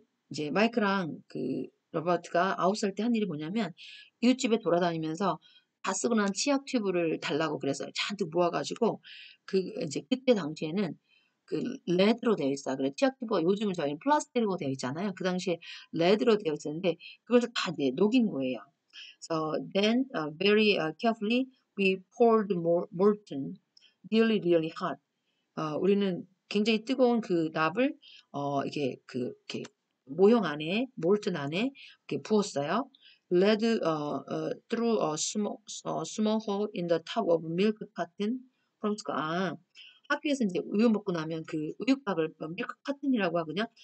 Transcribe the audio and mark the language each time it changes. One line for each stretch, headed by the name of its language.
Korean: 이제 마이크랑 로버트가 아웃살 때한 일이 뭐냐면 이웃집에 돌아다니면서 다 쓰고 난 치약 튜브를 달라고 그래서 잔뜩 모아가지고 그때 당시에는 레드로 되어 있어. 그래, 치약 튜브가 요즘은 저희는 플라스틱으로 되어 있잖아요. 그 당시에 레드로 되어 있었는데 그걸 다 이제 녹인 거예요.
English: So then, very carefully, we poured molten, really, really hot.
Korean: 우리는 굉장히 뜨거운 그 납을 이렇게 모형 안에 몰튼 안에 이렇게 부었어요.
English: Led through a small hole in the top of milk carton from school.
Korean: 학교에서 이제 우유 먹고 나면 그 우유곽을 밀크 카튼이라고 하거든요.